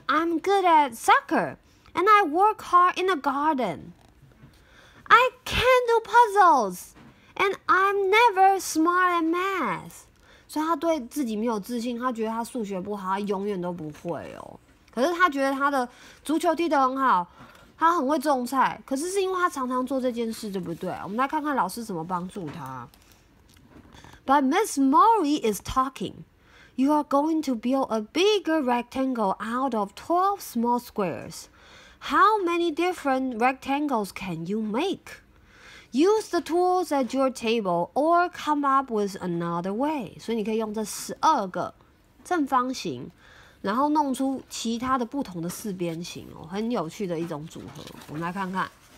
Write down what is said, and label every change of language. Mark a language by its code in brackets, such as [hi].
[en] I'm good at soccer, and I work hard in the garden. I can do puzzles, and I'm never smart at math. [zh] 所以他对自己没有自信，他觉得他数学不好，他永远都不会哦。可是他觉得他的足球踢得很好，他很会种菜。可是是因为他常常做这件事，对不对？我们来看看老师怎么帮助他。 [en] But Miss Mori is talking. You are going to build a bigger rectangle out of 12 small squares. How many different rectangles can you make? Use the tools at your table or come up with another way. [zh] 所以你可以用这12个正方形，然后弄出其他的不同的四边形哦，很有趣的一种组合。我们来看看。